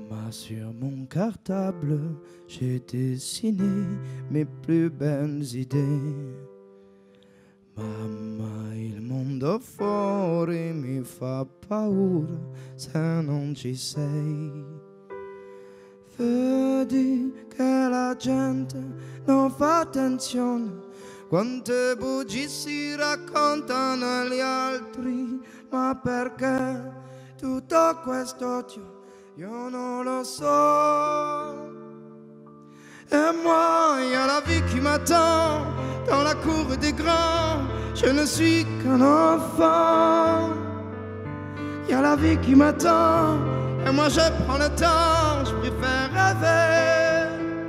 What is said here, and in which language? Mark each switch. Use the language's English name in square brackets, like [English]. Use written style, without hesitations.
[French] Sur mon cartable, j'ai dessiné mes plus belles idées. [Italian] Mamma, il mondo fuori mi fa paura se non ci sei. Vedi che la gente non fa attenzione, quante bugie si raccontano agli altri, ma perché tutto questo odio? Io non lo so. [French] E moi, il y a la vie qui m'attend dans la cour des grands, je ne suis qu'un enfant. Il y a la vie qui m'attend et moi je prends le temps, je préfère rêver.